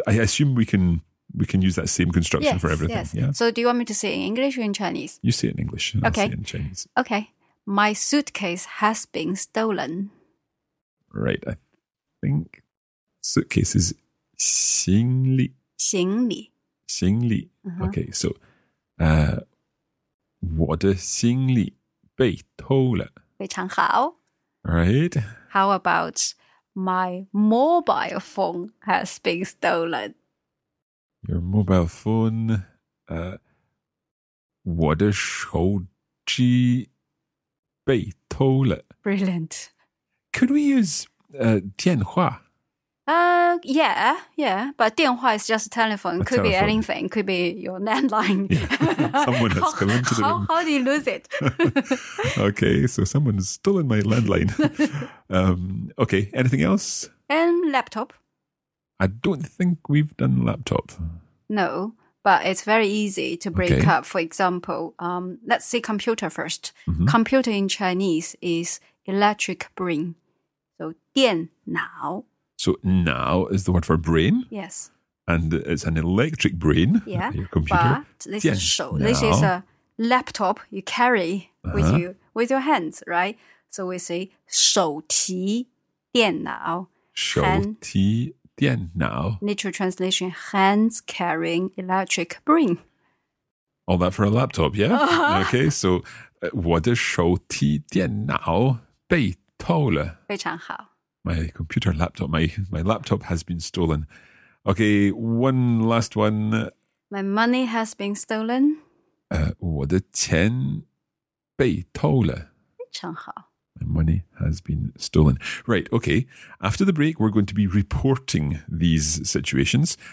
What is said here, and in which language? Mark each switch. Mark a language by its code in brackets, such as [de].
[en] I assume we can use that same construction for everything. Yes. Yeah? So do you want me to say in English or in Chinese? You say it in English, and okay. I'll say it in Chinese. Okay. My suitcase has been stolen. Right, I think... Suitcases, 行李. [zh] 行李. 行李. Okay, so, 我的行李被偷了. 非常好. [en] Right. How about my mobile phone has been stolen? Your mobile phone, [zh] 我的手机被偷了. [en] Brilliant. Could we use 电话? Yeah, but 电话 is just a telephone. Could be anything. Could be your landline. Yeah. Someone has come into the room. How do you lose it? Okay, so someone's stolen my landline. Okay, anything else? And laptop. I don't think we've done laptop. No, but it's very easy to break up. For example, let's say computer first. Mm-hmm. Computer in Chinese is electric brain. [zh] So 电脑。 [en] So, now is the word for brain. Yes. And it's an electric brain. Yeah. Your computer. But this, yes, is show. This is a laptop you carry with you, with your hands, right? So, we say, 手提电脑. [zh] 手提电脑. [en] Literal translation, hands carrying electric brain. All that for a laptop, yeah? [zh] Okay, so, 我的手提电脑被偷了. 非常好。 [en] My computer laptop, my laptop has been stolen. Okay, one last one. My money has been stolen. [zh] 我的钱被偷了。非常好。 [en] My money has been stolen. Right, okay. After the break, we're going to be reporting these situations.